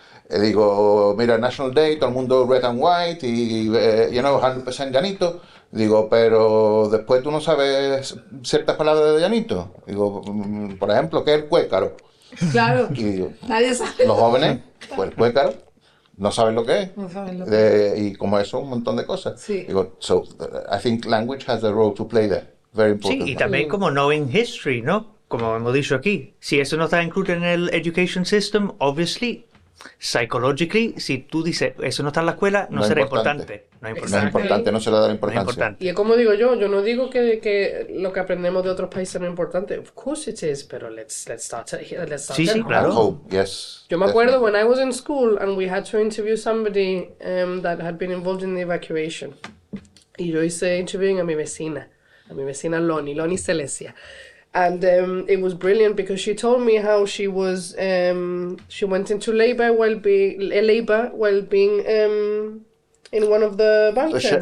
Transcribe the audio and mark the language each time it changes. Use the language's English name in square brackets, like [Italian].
[Spanish] Digo, mira, National Day, todo el mundo [English] red and white, [Spanish] y you know, 100% llanito. Digo, pero después tú no sabes ciertas palabras de llanito. Digo, por ejemplo, ¿qué es el cuécaro? Claro, y digo, nadie sabe. Los jóvenes, pues el cuécaro, no saben lo que es. No saben lo que es. Y como eso, un montón de cosas. Sí. [English] Digo, so, I think language has a role to play there. Very important. [Spanish] Sí, y también como [English] knowing history, [Spanish] ¿no? como hemos dicho aquí, si eso no está incluido en el education system, obviously, psychologically, si tú dices eso no está en la escuela, no, no será importante. No es importante, no se le da la importancia. No, y como digo yo, yo no digo que lo que aprendemos de otros países no es importante. [English] Of course it is, [Spanish] pero [English] let's start [Spanish] sí, [English] at [Spanish] sí, [English] home. [Spanish] Claro. [English] At home, yes. [Spanish] Yo me acuerdo [English] when I was in school and we had to interview somebody that had been involved in the evacuation. [Spanish] Y yo hice interviewing a mi vecina Lonnie Celestia. [English] And it was brilliant because she told me how she was she went into labor while being in one of the bunkers.